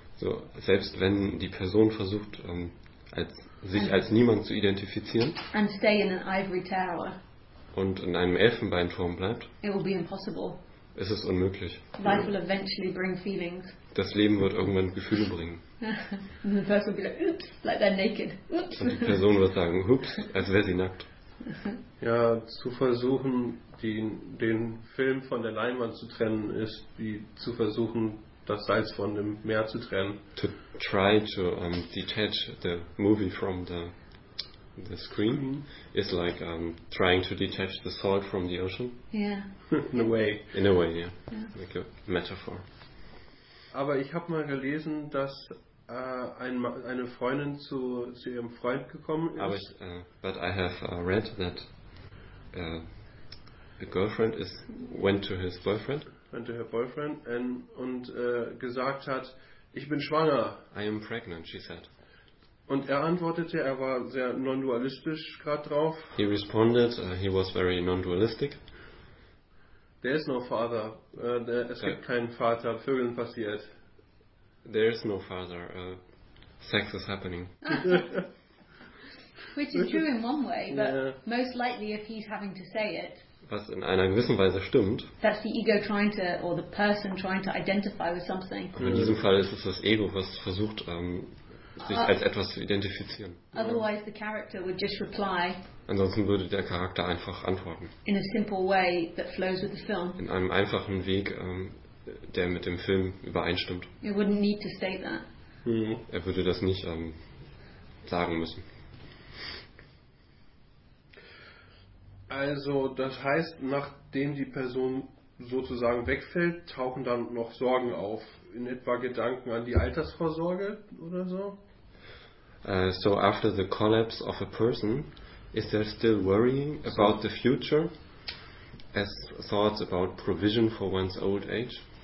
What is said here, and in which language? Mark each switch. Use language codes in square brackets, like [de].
[de] So selbst wenn die Person versucht sich als niemand zu identifizieren [en] and stay in an ivory tower. [de] Und in einem Elfenbeinturm bleibt, [en] it will be impossible. [de] Ist es unmöglich. [en] Life will eventually bring feelings. [de] Das Leben wird irgendwann Gefühle bringen. [en] And the person will be like, oops, like they're naked. Oops. [de] Und die Person wird sagen, oops, als wäre sie nackt. Ja, zu versuchen, den Film von der Leinwand zu trennen, ist wie zu versuchen, das Salz von dem Meer zu trennen. [en] To try to detach the movie from the screen is like trying to detach the salt from the ocean. Yeah. In a way, yeah. Like a metaphor. [de] Aber ich habe mal gelesen, dass eine Freundin zu ihrem Freund gekommen ist. [en] But I have read that a girlfriend went to her boyfriend [de] und gesagt hat, ich bin schwanger. [en] I am pregnant, she said. [de] Und er antwortete, er war sehr non-dualistisch gerade drauf. [en] He responded, he was very non-dualistic. There is no father. [de] Es gibt keinen Vater. Vögeln passiert. [en] There is no father. Sex is happening. Which is true in one way, but most likely if he's having to say it. [de] Was in einer gewissen Weise stimmt. [en] That's the ego trying to, or the person trying to identify with something. [de] Und in diesem Fall ist es das Ego, was versucht, sich als etwas zu identifizieren. [en] Otherwise the character would just reply. [de] Ansonsten würde der Charakter einfach antworten. [en] In a simple way that flows with the film. [de] In einem einfachen Weg, der mit dem Film übereinstimmt. [en] It wouldn't need to say that. [de] Er würde das nicht sagen müssen. Also, das heißt, nachdem die Person sozusagen wegfällt, tauchen dann noch Sorgen auf. In etwa Gedanken an die Altersvorsorge oder so? [en] So after the collapse of a person, is there still worrying about the future as thoughts about provision for one's old age?